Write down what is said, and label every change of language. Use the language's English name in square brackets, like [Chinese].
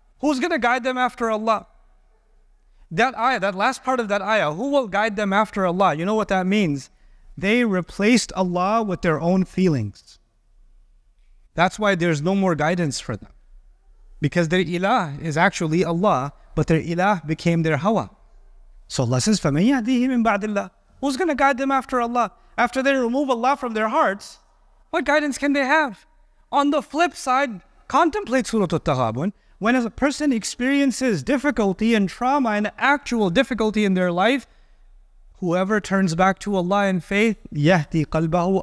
[English] Who's going to guide them after Allah? That ayah, that last part of that ayah, who will guide them after Allah? You know what that means? They replaced Allah with their own feelings. That's why there's no more guidance for them. Because their ilah is actually Allah, but their ilah became their hawa. So Allah says, [Arabic] فَمَن يَهْدِيهِ مِن بَعْدِ اللَّهِ. [English] Who's going to guide them after Allah? After they remove Allah from their hearts, what guidance can they have? On the flip side, contemplate Surah At-Taghabun. When a person experiences difficulty and trauma and actual difficulty in their life, whoever turns back to Allah in faith, [Arabic] يَهْدِي قَلْبَهُ.